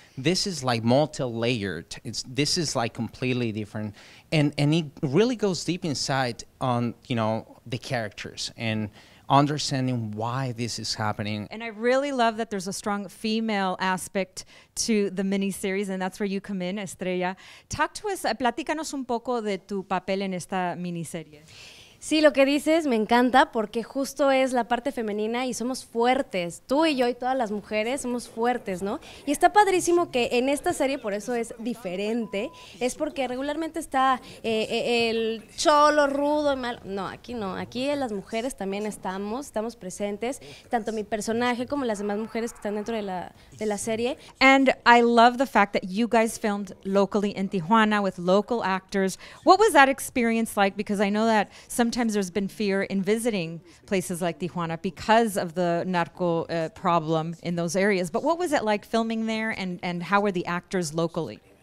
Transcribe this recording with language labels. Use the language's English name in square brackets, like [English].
[English] This is like multi-layered. This is like completely different, and it really goes deep inside on, you know, the characters and understanding why this is happening. And I really love that there's a strong female aspect to the miniseries, and that's where you come in, Estrella. Talk to us, [Spanish] platícanos un poco de tu papel en esta miniserie. Sí, lo que dices me encanta porque justo es la parte femenina y somos fuertes. Tú y yo y todas las mujeres somos fuertes, ¿no? Y está padrísimo que en esta serie, por eso es diferente, es porque regularmente está el cholo, rudo y malo. No, aquí no. Aquí las mujeres también estamos presentes, tanto mi personaje como las demás mujeres que están dentro de la serie. [English] And I love the fact that you guys filmed locally in Tijuana with local actors. What was that experience like? Because I know that sometimes there's been fear in visiting places like Tijuana because of the narco problem in those areas. But what was it like filming there, and how were the actors locally?